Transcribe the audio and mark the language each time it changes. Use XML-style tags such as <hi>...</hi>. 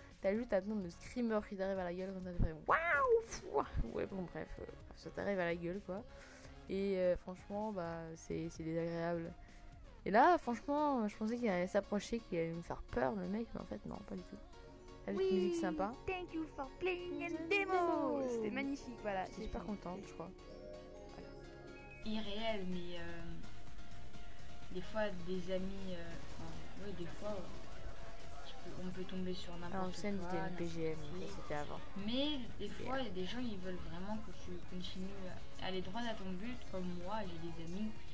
<fr>T'as juste un nom de screamer qui t'arrive à la gueule quand t'as fait waouh. Ouais, bon, bref, ça t'arrive à la gueule quoi. Et franchement, bah, c'est désagréable. Et là, franchement, je pensais qu'il allait s'approcher, qu'il allait me faire peur, le mec, mais en fait, non, pas du tout. Avec une musique sympa.</fr> <en>Thank you for playing in demo.</en> <fr>C'était magnifique, voilà. J'étais super contente, je crois. Voilà. Irréel, mais des fois, des amis. Oui, des fois. On peut tomber sur n'importe quoi. Alors, c'était une BGM, c'était avant. Mais des fois, il y a des gens, ils veulent vraiment que tu continues à aller droit à ton but, comme moi, j'ai des amis.</fr>